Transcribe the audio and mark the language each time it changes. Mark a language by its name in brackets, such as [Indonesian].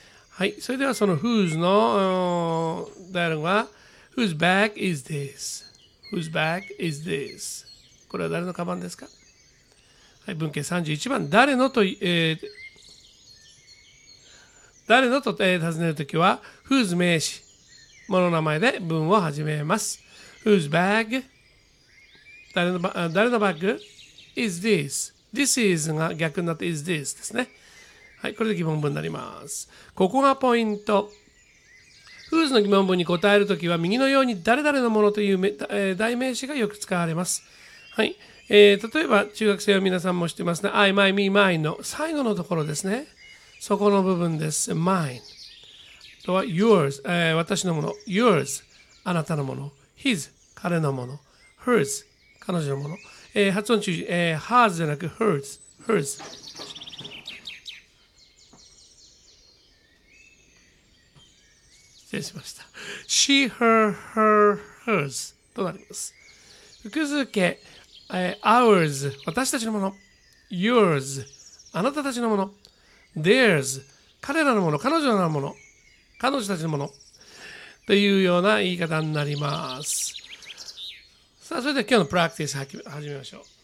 [Japanese] はい、それではその Whose のダイアログは [English] Whose bag is this? Whose bag is this? [Japanese] これは誰のカバンですか。はい、文型31番、誰のと、誰のと、尋ねるときは Whose 名詞、物の名前で文を始めます。 [English] Whose bag、 [Japanese] 誰のバッグ [English] is this? [Japanese] This is が逆になって is this ですね。はい、これで疑問文になります。ここがポイント。Whose の疑問文に答えるときは、右のように誰々のものという代名詞がよく使われます。はい、例えば、中学生は皆さんも知ってますね。I, my, me, mine の最後のところですね。そこの部分です。mine。あとは yours、私のもの。yours、あなたのもの。 his、彼のもの。hers、彼女のもの。発音注意、hers じゃなく hers、hers。失礼しました。 [English] She, her, her, hers [Japanese] となります。複数形、ours、私たちのもの。 yours、あなたたちのもの。theirs、彼らのもの、彼女のもの。彼女たちのもの。というような言い方になります。さあ、それでは今日のプラクティス始めましょう。